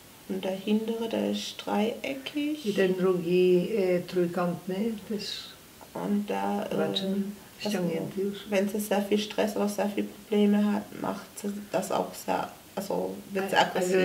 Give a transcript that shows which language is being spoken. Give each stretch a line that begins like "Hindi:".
German: Der hintere, der ist dreieckig.
Polish: I ten drugi trójkątny też.
German: Und da,
Polish: zobaczymy. Ściągnięty już.
German: Wenn sie sehr viel Stress oder sehr viel Probleme hat, macht sie das auch sehr, also wird sie aggressiv.